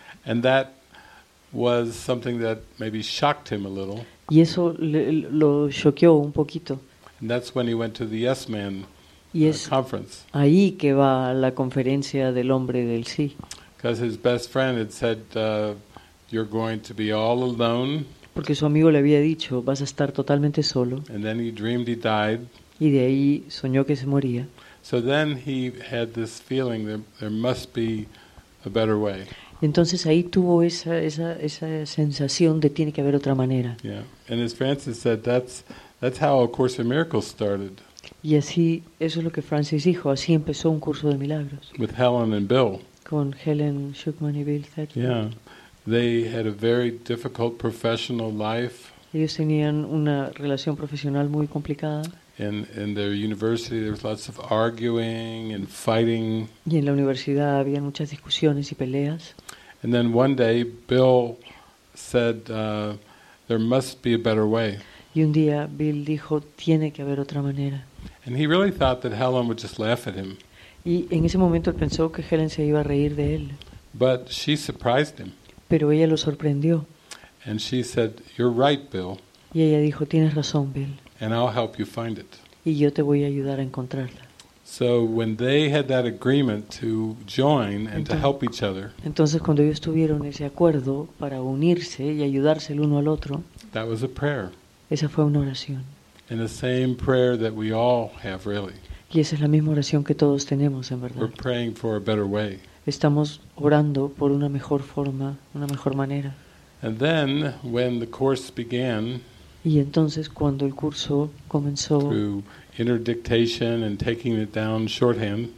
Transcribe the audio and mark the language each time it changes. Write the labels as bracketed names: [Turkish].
[English] And that was something that maybe shocked him a little. [Spanish] Y eso lo choqueó un poquito. [English] And that's when he went to the Yes Man conference. [Spanish] Y es ahí que va a la conferencia del hombre del sí. [English] Because his best friend had said, "You're going to be all alone." [Spanish] Porque su amigo le había dicho, vas a estar totalmente solo. [English] And then he dreamed he died. [Spanish] Y de ahí soñó que se moría. [English] So then he had this feeling that there must be a better way. [Spanish] Entonces ahí tuvo esa sensación de tiene que haber otra manera. [English] Yeah, and as Francis said, that's how A Course in Miracles started. [Spanish] Y así, eso es lo que Francis dijo, así empezó Un Curso de Milagros. [English] With Helen and Bill. [Spanish] Con Helen Schuckman y Bill Thetford. [English] Yeah. They had a very difficult professional life. [Spanish] Ellos tenían una relación profesional muy complicada. [English] In their university, there was lots of arguing and fighting. [Spanish] Y en la universidad había muchas discusiones y peleas. [English] And then one day, Bill said, "There must be a better way." [Spanish] Y un día Bill dijo, tiene que haber otra manera. [English] And he really thought that Helen would just laugh at him. [Spanish] Y en ese momento él pensó que Helen se iba a reír de él. [English] But she surprised him. [Spanish] Pero ella lo sorprendió. [English] And she said, "You're right, Bill." [Spanish] Y ella dijo, tienes razón, Bill. [English] And I'll help you find it. [Spanish] Y yo te voy a ayudar a encontrarla. [English] So when they had that agreement to join and to help each other. [Spanish] Entonces cuando ellos tuvieron ese acuerdo para unirse y ayudarse el uno al otro. [English] That was a prayer. [Spanish] Esa fue una oración. [English] And the same prayer that we all have, really. [Spanish] Y esa es la misma oración que todos tenemos, en verdad. [English] We're praying for a better way. [Spanish] Estamos orando por una mejor forma, una mejor manera. [English] And then, when the course began, [Spanish] y entonces cuando el curso comenzó, [English] through interdictation and taking it down shorthand,